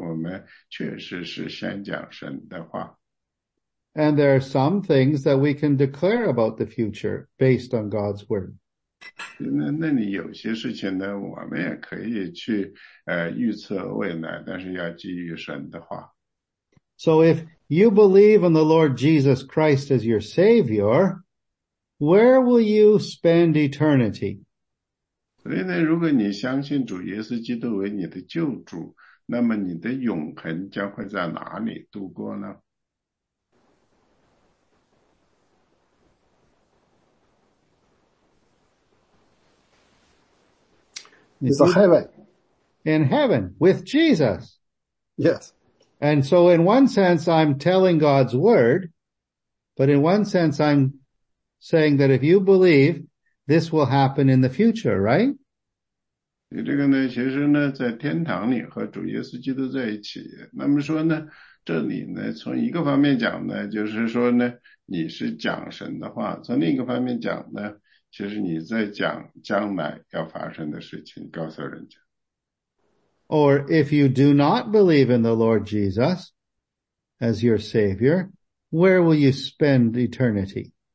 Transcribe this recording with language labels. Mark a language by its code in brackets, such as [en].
[zh] 现在在那个老王说的那个概念里呢，我们就是不去预测将来要发生事情，但是我们确实是先讲神的话。 [en] And there are some things that we can declare about the future based on God's word. [zh] 那你有些事情呢，我们也可以去预测未来，但是要基于神的话。So [en] if you believe in the Lord Jesus Christ as your Savior, where will you spend eternity? [zh] 所以呢，如果你相信主耶稣基督为你的救主，那么你的永恒将会在哪里度过呢？ [en] It's a heaven. In heaven, with Jesus. Yes. And so in one sense, I'm telling God's word, but in one sense, I'm saying that if you believe, this will happen in the future, right? [zh] 这个呢，其实呢，在天堂里和主耶稣基督在一起。那么说呢，这里呢，从一个方面讲呢，就是说呢，你是讲神的话；从另一个方面讲呢，其实你在讲将来要发生的事情，告诉人家。 [en] Or if you do not believe in the Lord Jesus as your Savior, where will you spend eternity?